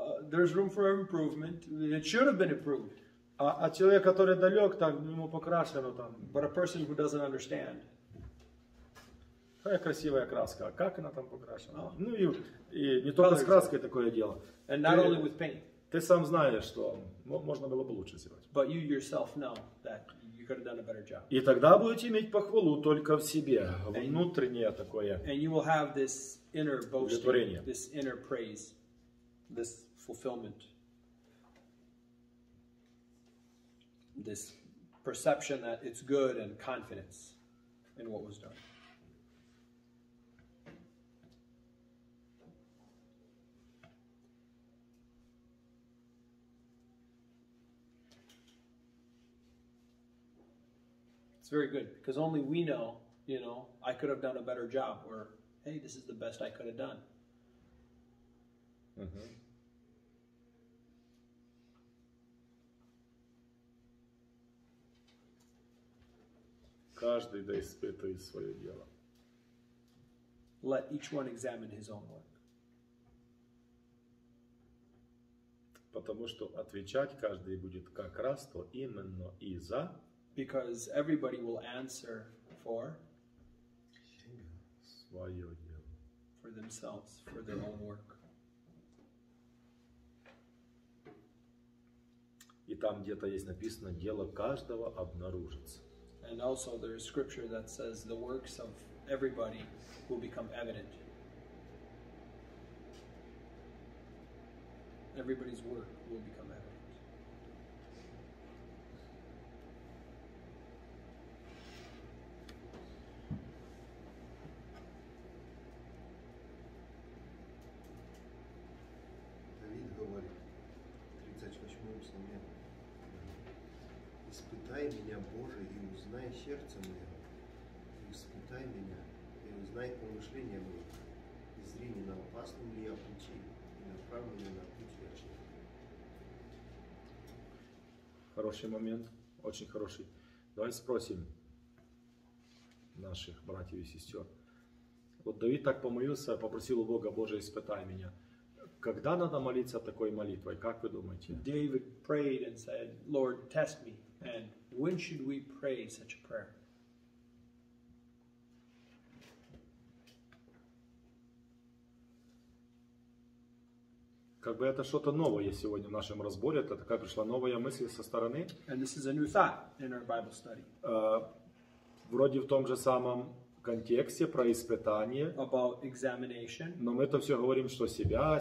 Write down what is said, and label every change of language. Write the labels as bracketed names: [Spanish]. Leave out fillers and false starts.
[English] There's room for improvement. It should have been improved. [Russian] А человек, который далек, так ему покрашено там. [English] But a person who doesn't understand. [Russian] Какая красивая краска. Как она там покрашена? Oh. Ну и не только с краской такое дело. [English] And not only with paint. [Russian] Ты сам знаешь, что можно было бы лучше сделать. [English] But you yourself know that you could have done a better job. [Russian] И тогда будете иметь похвалу только в себе. Внутреннее такое. [English] And you will have this inner boasting. This inner praise. This fulfillment, this perception that it's good and confidence in what was done. It's very good because only we know, you know, I could have done a better job or, hey, this is the best I could have done. Mm-hmm. [Russian] Каждый да испытывает свое дело. [English] Let each one examine his own work. [Russian] Потому что отвечать каждый будет как раз то именно и за. [English] Because everybody will answer for [Russian] свое дело. [English] For themselves, for their own work. [Russian] И там где-то есть написано, дело каждого обнаружится. [English] And also there is scripture that says the works of everybody will become evident. everybody's work will become evident. [Russian] David говорит, 38 псалме, «Испытай меня, Боже, и узнай сердце мое, испытай меня, и узнай помышления мои, и зри, не на опасном ли я пути, и направлен ли на путь вечный». Хороший момент, очень хороший. Давай спросим наших братьев и сестер. Вот Давид так помолился, попросил у Бога: «Боже, испытай меня». Когда надо молиться такой молитвой, как вы думаете? [English] David prayed and said, Lord, test me. And when should we pray such a prayer? [Russian] Как бы это что-то новое сегодня в нашем разборе, это такая пришла новая мысль со стороны. [English] And this is a new thought in our Bible study. [Russian] Вроде в том же самом контексте про испытание. [English] About examination. [Russian] Но мы это все говорим, что себя.